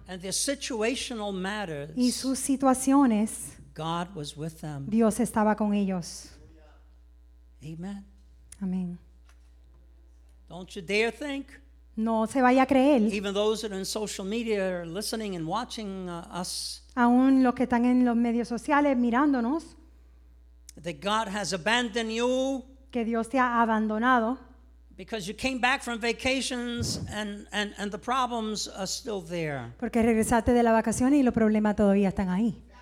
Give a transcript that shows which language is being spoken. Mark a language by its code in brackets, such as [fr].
[en] and their situational matters, [es] y sus situaciones, [en] God was with them. [es] Dios estaba con ellos. [en] Amen. [es] Amen. [en] Don't you dare think, [es] no se vaya a creer, [en] even those that are in social media are listening and watching us, [es] aún los que están en los medios sociales mirándonos, [en] that God has abandoned you, [es] que Dios te ha abandonado, [en] because you came back from vacations and the problems are still there, [es] porque regresaste de la vacación y los problemas todavía están ahí.